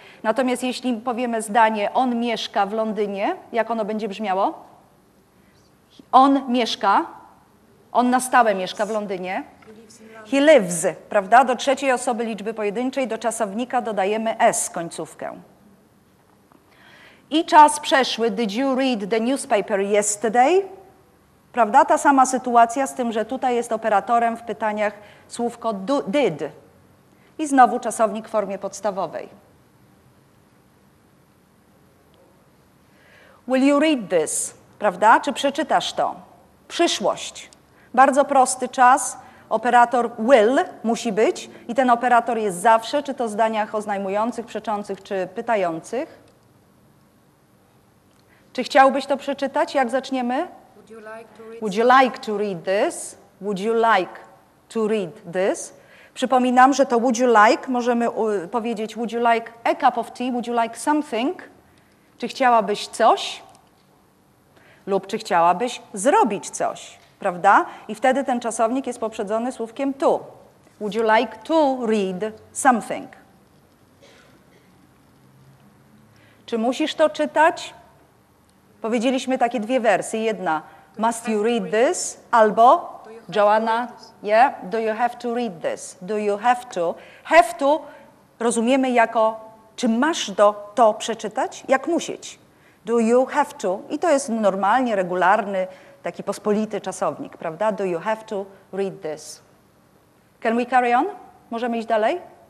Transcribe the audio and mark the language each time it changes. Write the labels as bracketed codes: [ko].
[pl] Natomiast jeśli powiemy zdanie, on mieszka w Londynie, jak ono będzie brzmiało? On mieszka, on na stałe mieszka w Londynie. [en] He lives, [pl] prawda? Do trzeciej osoby liczby pojedynczej, do czasownika dodajemy s, końcówkę. I czas przeszły, [en] did you read the newspaper yesterday? [pl] Prawda? Ta sama sytuacja z tym, że tutaj jest operatorem w pytaniach słówko did. I znowu czasownik w formie podstawowej. [en] Will you read this? [pl] Prawda? Czy przeczytasz to? Przyszłość. Bardzo prosty czas. Operator will musi być i ten operator jest zawsze, czy to w zdaniach oznajmujących, przeczących, czy pytających. Czy chciałbyś to przeczytać? Jak zaczniemy? [en] Would you like to read this? Would you like to read this? [pl] Przypominam, że to [en] would you like, [pl] możemy powiedzieć [en] would you like a cup of tea, would you like something? [pl] Czy chciałabyś coś? Lub czy chciałabyś zrobić coś, prawda? I wtedy ten czasownik jest poprzedzony słówkiem to. [en] Would you like to read something? [pl] Czy musisz to czytać? Powiedzieliśmy takie dwie wersje. Jedna, [en] must you read this? [pl] Albo, [en] Joanna, yeah, do you have to read this? Do you have to? [pl] Have to rozumiemy jako, czy masz to przeczytać? Jak musieć? [en] Do you have to? [pl] I to jest normalnie, regularny, taki pospolity czasownik, prawda? [en] Do you have to read this? Can we carry on? [pl] Możemy iść dalej?